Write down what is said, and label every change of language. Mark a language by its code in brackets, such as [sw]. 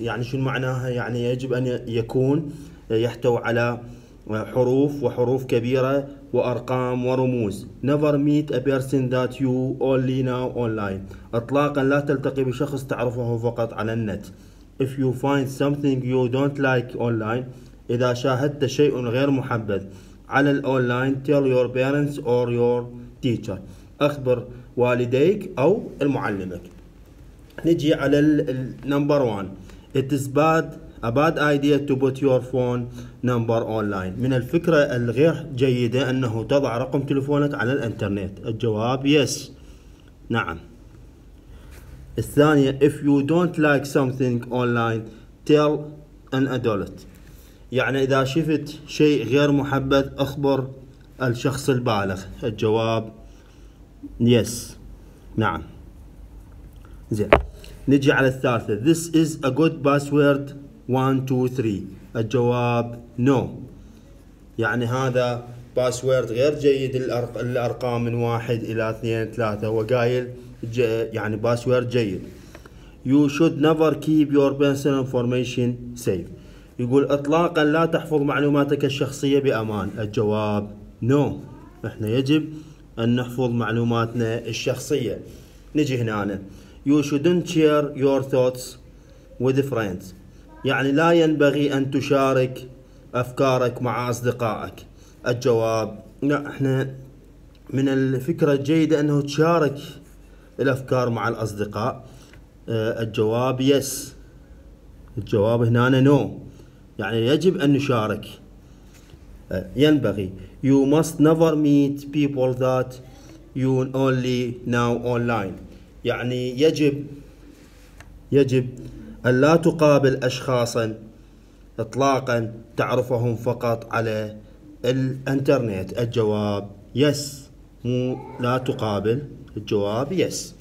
[ar] يعني شو معناها؟ يعني يجب أن يكون يحتوي على حروف وحروف كبيرة وأرقام ورموز. [en] Never meet a person that you only know online. [ar] إطلاقا لا تلتقي بشخص تعرفه فقط على النت. [en] If you find something you don't like online، [ar] إذا شاهدت شيء غير محبذ على الأونلاين، [en] tell your parents or your teacher، [ar] أخبر والديك أو المعلمك. نجي على [en] number one. It is bad. A bad idea to put your phone number online. [ar] من الفكرة الغير جيدة أنه تضع رقم تلفونك على الانترنت. الجواب yes. نعم. الثانية. [en] If you don't like something online, tell an adult. [ar] يعني إذا شفت شيء غير محبذ أخبر الشخص البالغ. الجواب yes. نعم. زين. نجي على الثالثة. [en] This is a good password. 1 2 3. [ar] الجواب no. يعني هذا باسورد غير جيد، الأرقام من 1 إلى 2 3. وقايل يعني باسورد جيد. [en] You should never keep your personal information safe. [ar] يقول إطلاقا لا تحفظ معلوماتك الشخصية بأمان. الجواب no. إحنا يجب أن نحفظ معلوماتنا الشخصية. نجي هنا أنا. [en] You shouldn't share your thoughts with friends. [ar] يعني لا ينبغي أن تشارك أفكارك مع أصدقائك. الجواب لا. إحنا من الفكرة الجيدة أنه تشارك الأفكار مع الأصدقاء. الجواب yes. الجواب هنا no. يعني يجب أن نشارك. ينبغي. [en] You must never meet people that you only know online. [ar] يعني يجب ألا تقابل أشخاصاً إطلاقاً تعرفهم فقط على الإنترنت. الجواب yes. مو لا تقابل، الجواب yes.